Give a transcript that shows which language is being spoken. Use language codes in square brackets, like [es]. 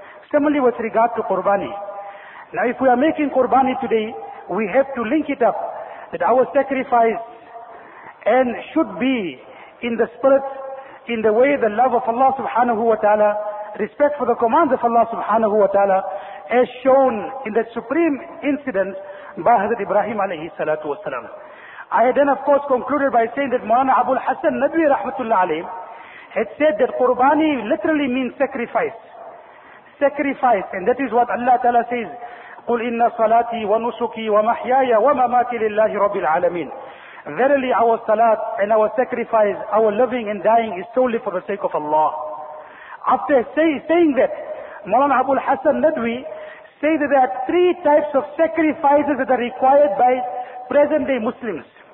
[en] Similarly with regard to Qurbani. Now if we are making Qurbani today, we have to link it up that our sacrifice and should be in the spirit, in the way, the love of Allah subhanahu wa ta'ala, respect for the commands of Allah subhanahu wa ta'ala, as shown in that supreme incident by Hazrat Ibrahim alayhi salatu wa salam. I had then of course concluded by saying that Mawlana Abu al-Hasan Nadwi rahmatullah alayhi had said that Qurbani literally means sacrifice. Sacrifice, and that is what Allah Ta'ala says, [ar] قُلْ إِنَّ صَلَاتِي وَنُسُكِي وَمَحْيَايَ وَمَمَاتِ لِلَّهِ رَبِّ الْعَالَمِينَ. [en] Verily our salat and our sacrifice, our living and dying is solely for the sake of Allah. After saying that, Mawlana Abu al-Hasan Nadwi say that there are three types of sacrifices that are required by present day Muslims.